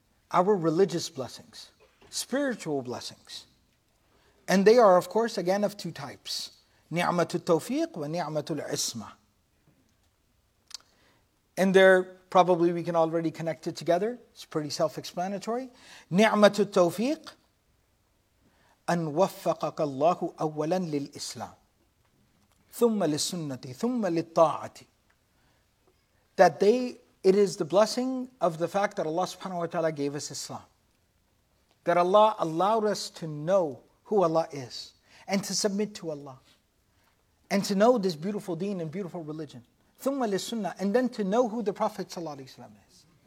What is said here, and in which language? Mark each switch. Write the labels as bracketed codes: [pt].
[en] Our religious blessings, spiritual blessings. And they are, of course, again, of two types. [ar] نِعْمَةُ التَّوْفِيقُ وَنِعْمَةُ الْعِصْمَةُ. [en] And they're probably, we can already connect it together. It's pretty self-explanatory. [ar] نِعْمَةُ التَّوْفِيقُ أن وفقك الله أولا للإسلام ثم للسنة ثم للطاعة. [en] That they, it is the blessing of the fact that Allah subhanahu wa ta'ala gave us Islam. That Allah allowed us to know who Allah is and to submit to Allah and to know this beautiful deen and beautiful religion. [ar] ثم للسنة, [en] and then to know who the Prophet sallallahu alayhi wa sallam is.